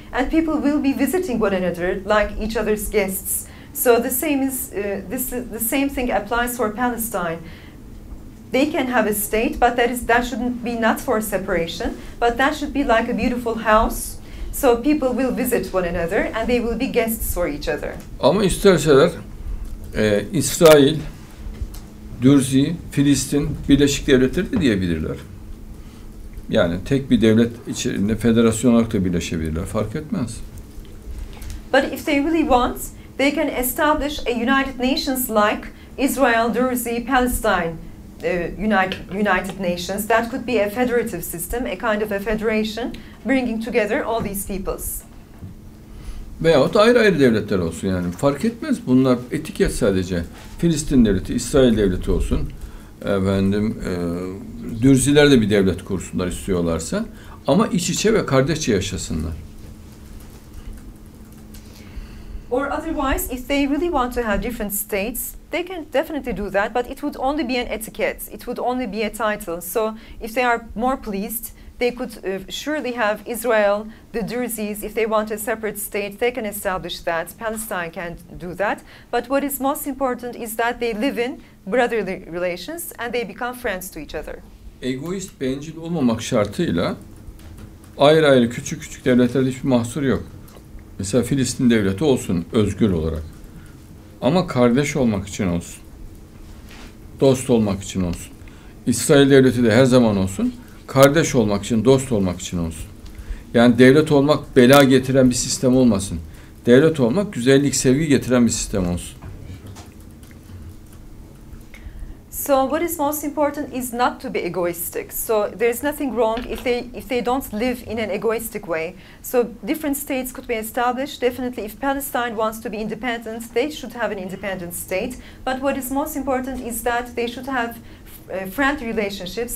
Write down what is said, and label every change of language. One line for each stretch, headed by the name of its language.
English: And people will be visiting one another, like each other's guests. So the same is the same thing applies for Palestine. They can have a state, but that shouldn't be not for separation, but that should be like a beautiful house. So people will visit one another, and they will be guests for each other.
Turkish: Ama isterseler, İsrail, Dürzi, Filistin, Birleşik Devletleri de diyebilirler. Yani tek bir devlet içinde federasyon olarak da birleşebilirler, fark etmez.
English: But if they really want, they can establish a United Nations like Israel, Druzy, Palestine, United Nations. That could be a federative system, a kind of a federation, bringing together all these peoples.
Turkish: Veyahut ayrı ayrı devletler olsun yani, fark etmez. Bunlar etiket sadece. Filistin devleti, İsrail devleti olsun. Efendim, Dürziler de bir devlet kursunlar istiyorlarsa, ama iç içe ve kardeşçe yaşasınlar.
English: Or otherwise, if they really want to have different states, they can definitely do that, but it would only be an etiquette, it would only be a title. So, if they are more pleased, they could surely have Israel, the Druzis. If they want a separate state, they can establish that. Palestine can do that. But what is most important is that they live in brotherly relations and they become friends to each other.
Turkish: Egoist, bencil olmamak şartıyla ayrı ayrı küçük küçük devletlerde hiçbir mahsur yok. Mesela Filistin devleti olsun özgür olarak. Ama kardeş olmak için olsun. Dost olmak için olsun. İsrail devleti de her zaman olsun. Kardeş olmak için, dost olmak için olsun. Yani devlet olmak bela getiren bir sistem olmasın. Devlet olmak güzellik, sevgi getiren bir sistem olsun.
English: So what is most important is not to be egoistic. So there is nothing wrong if they don't live in an egoistic way. So different states could be established. Definitely if Palestine wants to be independent, they should have an independent state. But what is most important is that they should have friend relationships.